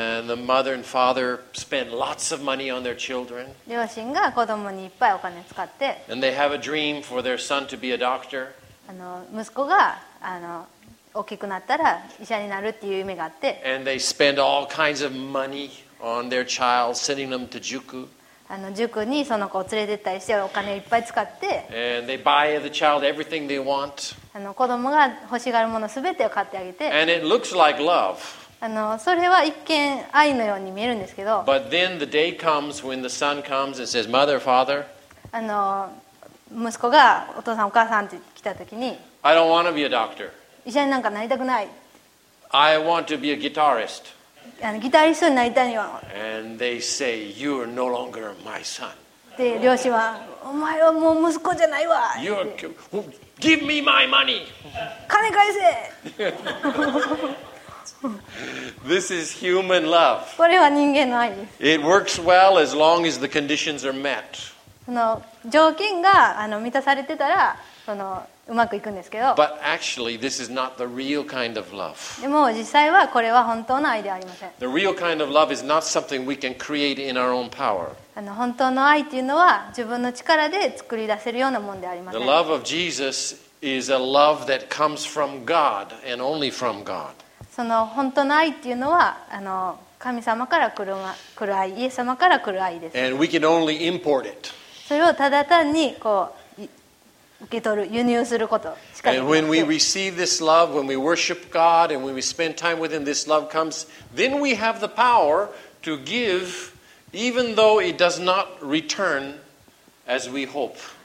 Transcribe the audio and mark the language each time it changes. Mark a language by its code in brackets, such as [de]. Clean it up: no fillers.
[en] And the mother and father spend lots of money on their children. [ja] 両親が子供にいっぱいお金使って、 [en] And they have a dream for their son to be a doctor. [ja] 息子が大きくなったら医者になるっていう夢があって、 [en] And they spend all kinds of money. On their child, sending them to 塾。 [ja] 塾にその子を連れてったりしてお金をいっぱい使って。 [en] And they buy the child everything they want. [ja] 子供が欲しがるものすべてを買ってあげて。 [en] And it looks like love. [ja] それは一見愛のように見えるんですけど。 [en] But then the day comes when the son comes and says, "Mother, father." [ja] 息子がお父さんお母さんって来た時に。 [en] I don't want to be a doctor. [ja] 医者になんかなりたくない。 [en] I want to be a guitarist. [ja] ギタリストになりたいには。 [en] And they say, you are no longer my son. [ja] で、両親は、お前はもう息子じゃないわ。 [en] Give me my money! [ja] 金返せ [en] This is human love. [ja] これは人間の愛です。 [en] It works well as long as the conditions are met. [ja] その条件が満たされてたら、うまくいくんですけど。 [en] But actually, this is not the real kind of love. [ja] でも実際はこれは本当の愛ではありません。 [en] The real kind of love is not something we can create in our own power. [ja] 本当の愛というのは自分の力で作り出せるようなものではありません。 [en] The love of Jesus is a love that comes from God and only from God. [ja] その本当の愛というのは神様から来る愛、イエス様から来る愛です。 [en] And we can only import it. [ja] それをただ単にこう受け取る、輸入することしかできない。 [en] And when we receive this love, when we worship God, and when we spend time with Him, this love comes. Then we have the power to give, even though it does not return as we hope.